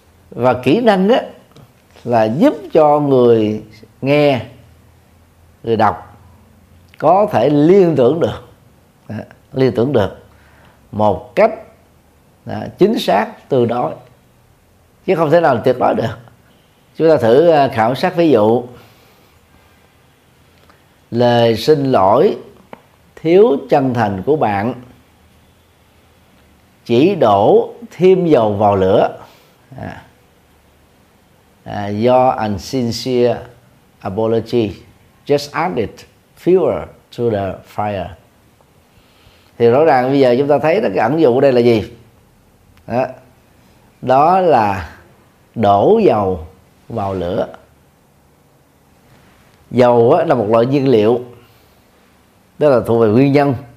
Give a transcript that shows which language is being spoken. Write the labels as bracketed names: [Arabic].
[Vietnamese] Và kỹ năng á là giúp cho người nghe, người đọc có thể liên tưởng được, liên tưởng được một cách chính xác từ đó, chứ không thể nào tuyệt đối được. Chúng ta thử khảo sát ví dụ lời xin lỗi thiếu chân thành của bạn chỉ đổ thêm dầu vào lửa. [English] Your unsincere apology just added fuel to the fire. [Vietnamese] Thì rõ ràng bây giờ chúng ta thấy cái ẩn dụ ở đây là gì? Đó là đổ dầu vào lửa. Dầu là một loại nhiên liệu, đó là thuộc về nguyên nhân.